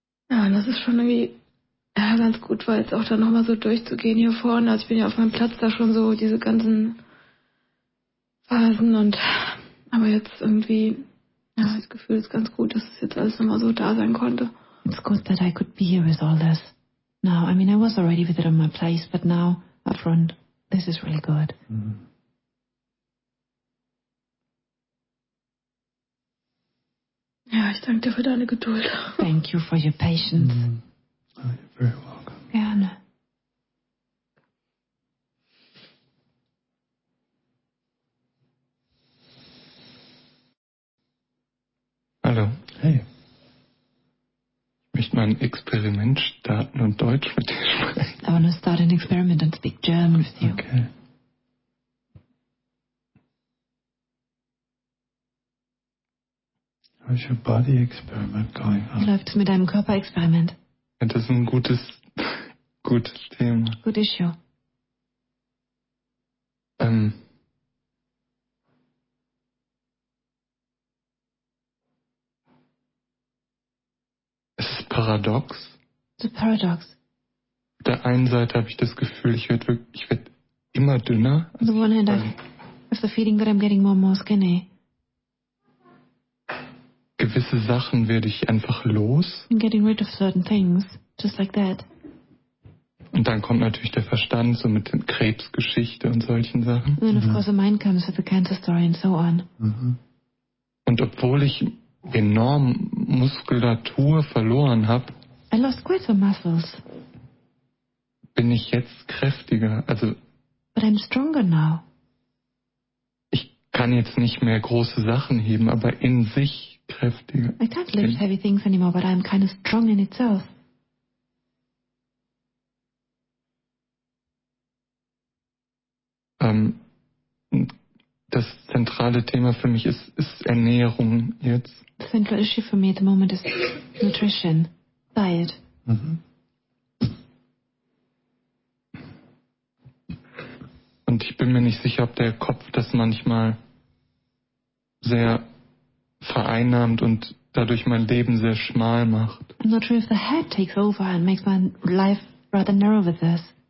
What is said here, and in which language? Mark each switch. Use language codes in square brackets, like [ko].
[de] Ja, und das ist schon irgendwie ganz gut, weil jetzt auch da nochmal so durchzugehen hier vorne. Also ich bin ja auf meinem Platz da schon so diese ganzen Phasen und aber jetzt irgendwie das Gefühl ist ganz gut, dass es jetzt alles nochmal so da sein konnte. [en] It's good that I could be here with all this. No, I mean, I was already with it on my place, but now, up front, this is really good. [de] Mm-hmm. Ja, ich danke dir für deine Geduld. [en] Thank you for your patience. Mm-hmm. Oh, you're very welcome. [de] Gerne. Hallo. Hey. Ich möchte mal ein Experiment starten und Deutsch mit dir sprechen. [en] I want to start an experiment and speak German with you. Okay. How's your body experiment going on? [de] Wie läuft es mit deinem Körperexperiment? Ja, das ist ein gutes Thema. [en] Good issue. [de] Paradox. [en] The paradox. [de] Auf der einen Seite habe ich das Gefühl, ich werd immer dünner. [en] On the one hand, I have the feeling that I'm getting more and more skinny. [de] Gewisse Sachen werde ich einfach los. [en] I'm getting rid of certain things, just like that. [de] Und dann kommt natürlich der Verstand, so mit der Krebsgeschichte und solchen Sachen. [en] And then of course the mind comes with the cancer story and so on. [de] Mhm. Und obwohl ich enorm Muskulatur verloren habe. [en] I lost quite some muscles. [de] Bin ich jetzt kräftiger? Also. [en] But I'm stronger now. [de] Ich kann jetzt nicht mehr große Sachen heben, aber in sich kräftiger. [en] I can't lift heavy things anymore, but I'm kind of strong in itself. [de] Das zentrale Thema für mich ist Ernährung jetzt. [en] The central issue for me at the moment is nutrition, diet. Mm-hmm. [de] Und ich bin mir nicht sicher, ob der Kopf das manchmal sehr vereinnahmt und dadurch mein Leben sehr schmal macht. [en] I'm not sure if the head takes over and makes my life rather narrow with this.